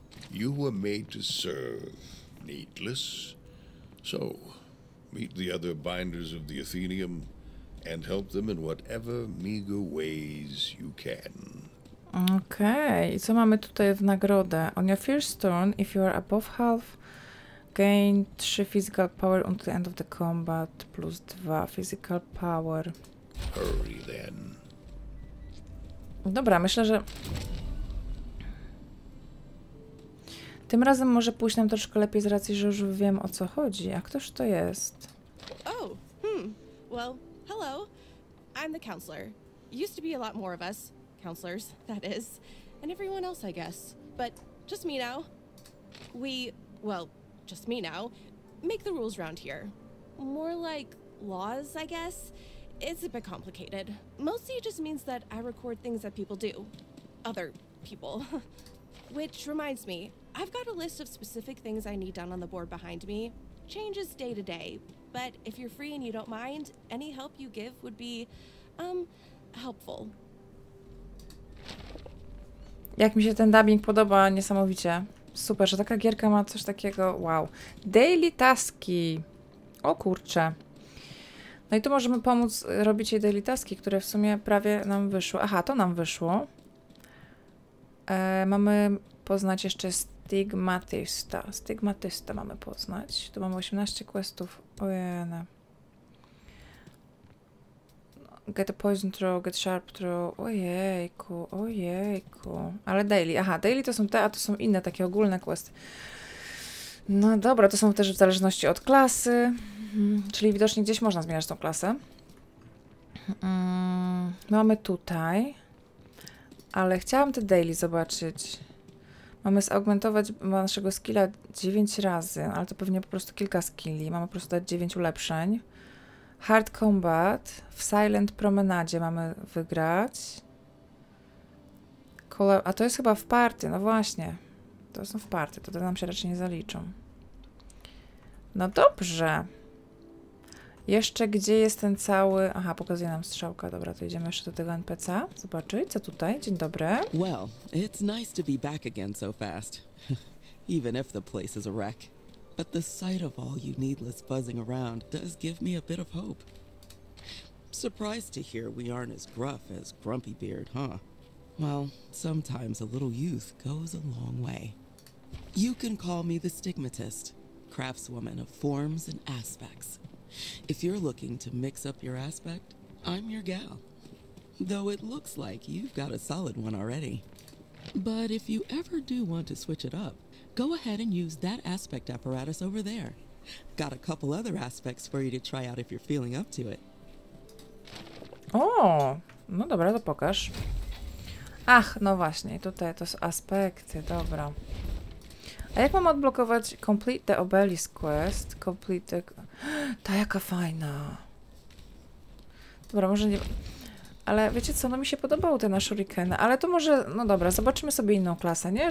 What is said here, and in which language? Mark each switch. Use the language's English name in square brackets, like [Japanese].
[English] You were made to serve, Needless. So, meet the other binders of the Athenium and help them in whatever meager ways you can. [Polish] Okej, okay. Co mamy tutaj w nagrodę? [English] On your first turn, if you are above half, gain 3 physical power until the end of the combat, plus 2 physical power. Hurry then. [Polish] Dobra, myślę, że... Tym razem może pójść nam troszkę lepiej z racji, że już wiem o co chodzi. A ktoż to jest? [English] Oh, Well, hello. I'm the counselor. Used to be a lot more of us. Counselors, that is, and everyone else, I guess, but just me now. We, well, just me now, make the rules around here. More like laws, I guess. It's a bit complicated. Mostly it just means that I record things that people do. Other people. Which reminds me, I've got a list of specific things I need done on the board behind me. Changes day to day, but if you're free and you don't mind, any help you give would be, helpful. [Polish] Jak mi się ten dubbing podoba, niesamowicie. Super, że taka gierka ma coś takiego. Wow. Daily taski. O kurczę. No i tu możemy pomóc robić jej daily taski, które w sumie prawie nam wyszło. Aha, to nam wyszło. Mamy poznać jeszcze stygmatysta. Stygmatysta mamy poznać. Tu mamy 18 questów. Ojej. [English] Get a poison throw, get sharp throw. [Polish] Ojejku, ojejku. Ale daily. Aha, daily to są te, a to są inne, takie ogólne questy. No dobra, to są też w zależności od klasy. Czyli widocznie gdzieś można zmieniać tą klasę. Mamy tutaj. Ale chciałam te daily zobaczyć. Mamy zaugmentować naszego skilla 9 razy, ale to pewnie po prostu kilka skilli. Mamy po prostu dać 9 ulepszeń. Hard Combat, w Silent Promenadzie mamy wygrać. A to jest chyba w party, no właśnie. To są w party, to nam się raczej nie zaliczą. No dobrze. Jeszcze gdzie jest ten cały... Aha, pokazuje nam strzałka, dobra, to idziemy jeszcze do tego NPC-a. Zobaczyć, co tutaj, dzień dobry. [English] Well, it's nice to be back again so fast. Even if the place is a wreck. But the sight of all you needless buzzing around does give me a bit of hope. Surprised to hear we aren't as gruff as Grumpy Beard, huh? Well, sometimes a little youth goes a long way. You can call me the Stigmatist, craftswoman of forms and aspects. If you're looking to mix up your aspect, I'm your gal. Though it looks like you've got a solid one already. But if you ever do want to switch it up, go ahead and use that aspect apparatus over there. Got a couple other aspects for you to try out if you're feeling up to it. [Polish] O, no dobra, to pokaż. Ach, no właśnie, tutaj to są aspekty, dobra. A jak mam odblokować Complete the Obelisk Quest? Complete the... Ta jaka fajna. Dobra, może nie... Ale wiecie co, no mi się podobały te na shurikeny, ale to może... No dobra, zobaczymy sobie inną klasę, nie?